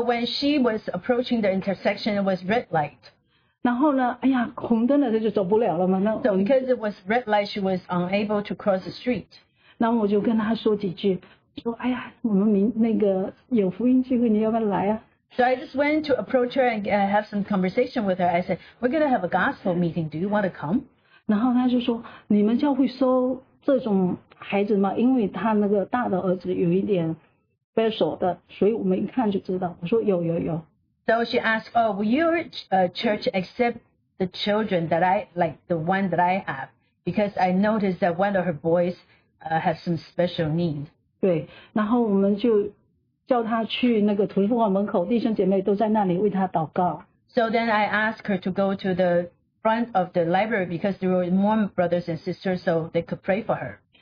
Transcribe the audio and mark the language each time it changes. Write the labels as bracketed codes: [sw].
[en] when she was approaching the intersection, it was red light. [zh] 然后呢，哎呀，红灯了，她就走不了了嘛。那我们... [en] So because it was red light, she was unable to cross the street. [zh] 然后我就跟她说几句，说哎呀，我们明那个有福音聚会，你要不要来啊？ [en] So I just went to approach her and have some conversation with her. I said, we're going to have a gospel meeting. Do you want to come? [zh] 然后她就说，你们教会收这种孩子吗？因为她那个大的儿子有一点special的，所以我们一看就知道。我说有。 [en] So she asked, oh, will your church accept the children that I, like the one that I have? Because I noticed that one of her boys has some special need. [zh] 对，然后我们就叫她去那个图书馆门口，弟兄姐妹都在那里为她祷告。 [en] So then I asked her to go to the front of the library because there were more brothers and sisters, so they could pray for her.